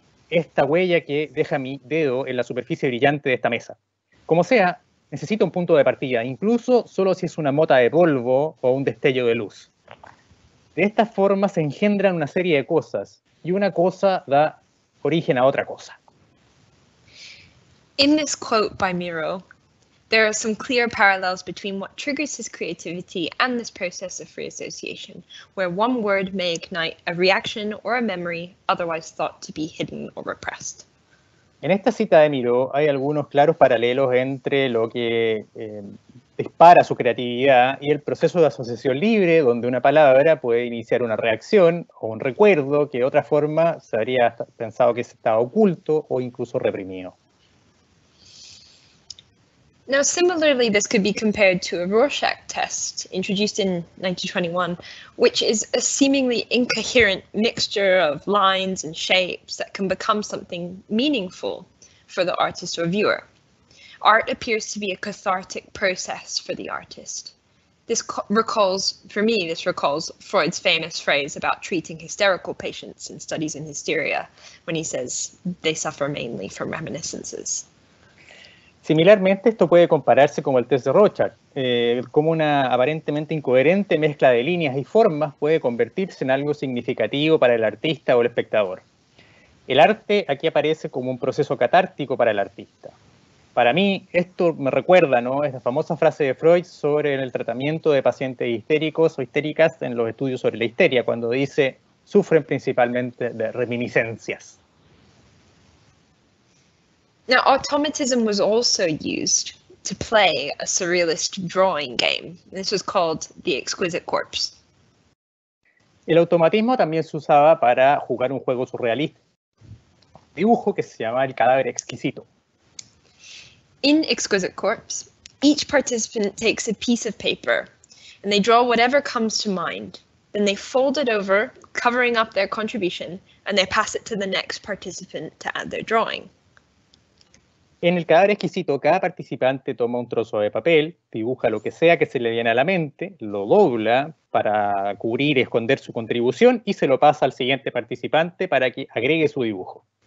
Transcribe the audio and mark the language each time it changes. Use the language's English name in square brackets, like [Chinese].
[Spanish] esta huella que deja mi dedo en la superficie brillante de esta mesa. Como sea, necesito un punto de partida, incluso solo si es una mota de polvo o un destello de luz. De esta forma se engendran una serie de cosas, y una cosa da origen a otra cosa. [English] In this quote by Miro, there are some clear parallels between what triggers his creativity and this process of free association, where one word may ignite a reaction or a memory otherwise thought to be hidden or repressed. [Spanish] En esta cita de Miro hay algunos claros paralelos entre lo que dispara su creatividad y el proceso de asociación libre, donde una palabra puede iniciar una reacción o un recuerdo que de otra forma se habría pensado que estaba oculto o incluso reprimido. [English] Now, similarly, this could be compared to a Rorschach test introduced in 1921, which is a seemingly incoherent mixture of lines and shapes that can become something meaningful for the artist or viewer. Art appears to be a cathartic process for the artist. This recalls Freud's famous phrase about treating hysterical patients in studies in hysteria, when he says they suffer mainly from reminiscences. [Spanish] Similarmente, esto puede compararse con el test de Rorschach, como una aparentemente incoherente mezcla de líneas y formas puede convertirse en algo significativo para el artista o el espectador. El arte aquí aparece como un proceso catártico para el artista. Para mí, esto me recuerda, ¿no?, esta famosa frase de Freud sobre el tratamiento de pacientes histéricos o histéricas en los estudios sobre la histeria, cuando dice, sufren principalmente de reminiscencias. [English] Now, automatism was also used to play a surrealist drawing game. This was called The Exquisite Corpse. [Spanish] El automatismo también se usaba para jugar un juego surrealista, dibujo que se llama El Cadáver Exquisito. [English] In Exquisite Corpse, each participant takes a piece of paper and they draw whatever comes to mind. Then they fold it over, covering up their contribution, and they pass it to the next participant to add their drawing. [Spanish] En El Cadáver Exquisito, cada participante toma un trozo de papel, dibuja lo que sea que se le viene a la mente, lo dobla para cubrir y esconder su contribución y se lo pasa al siguiente participante para que agregue su dibujo.